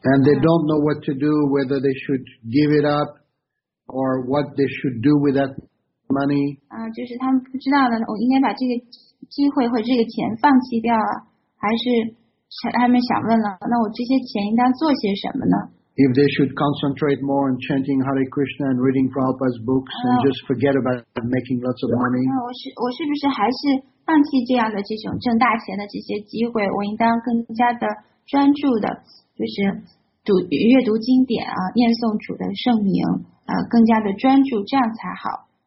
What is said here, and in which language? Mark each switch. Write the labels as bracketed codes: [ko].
[en] And they don't know what to do, whether they should give it up, or what they should do with that money. [zh] 就是他们不知道呢，我应该把这个机会或这个钱放弃掉，还是他们想问了，那我这些钱应当做些什么呢？ [en] If they should concentrate more on chanting Hare Krishna and reading Prabhupada's books and just forget about making lots of money. [zh] 我是不是还是放弃这样的这种挣大钱的这些机会，我应当更加的专注的，就是读阅读经典啊，念诵主的圣名啊，更加的专注，这样才好。